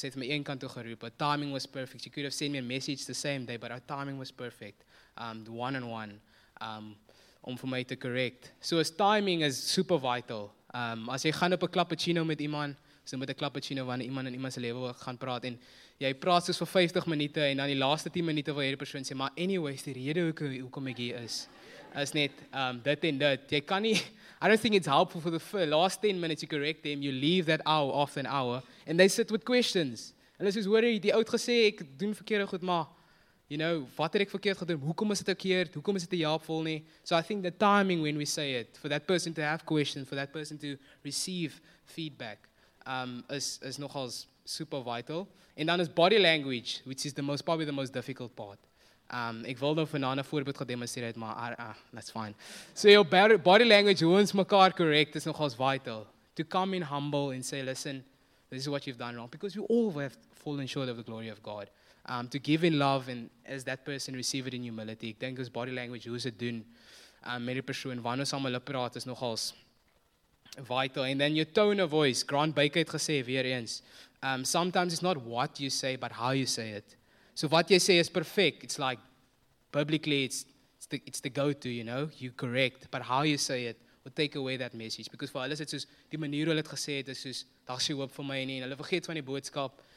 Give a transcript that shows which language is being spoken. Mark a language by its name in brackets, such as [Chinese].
[Afrikaans] Sy het my een kant toe geroep, [English] her timing was perfect. She could have sent me a message the same day, but her timing was perfect. The one-on-one, [Afrikaans] om vir my te correct. So as timing is super vital. As jy gaan op 'n cappuccino met iemand, so met 'n cappuccino wanneer iemand in iemand se lewe gaan praat, en jy praat soos vir 50 minute, en dan die laaste 10 minute wil jy die persoon sê, maar anyways, die rede hoekom ek hier is, is net dit en dit. Jy kan nie, [English] I don't think it's helpful for the last 10 minutes you correct them, you leave that hour after an hour, and they sit with questions. [Afrikaans] En as jy hoor, die oud gesê, ek doen verkeerde goed, maar, you know, wat het ek verkeerd gedoen? Hoekom is dit verkeerd? Hoekom is dit te helpful nie? [English] So I think the timing when we say it, for that person to have questions, for that person to receive feedback, is nogal super vital. And then is body language, which is probably the most difficult part. [Afrikaans] Ek wil nou vanaand 'n voorbeeld gedemonstreer het, maar [English] that's fine. So your body language, [Afrikaans] hoe ons mekaar correct, is nogal vital. [English] To come in humble and say, listen, this is what you've done wrong. Because we all have fallen short of the glory of God. To give in love and as that person receive it in humility. [Afrikaans] Ek denk as body language, hoe is dit doen met die persoon, wanneer saam hulle praat, is nogals vital. [English] And then your tone of voice, Grant Baker [Afrikaans] het gesê weer eens, [English] sometimes it's not what you say, but how you say it. [Afrikaans] So wat jy sê is perfect. [English] It's like, publicly, it's the go-to, you know, you correct. But how you say it will take away that message. [Afrikaans] Because for hulle is it soos, die manier hulle het gesê het, is soos, daar's hoop vir my nie, en hulle vergeet van die boodskap.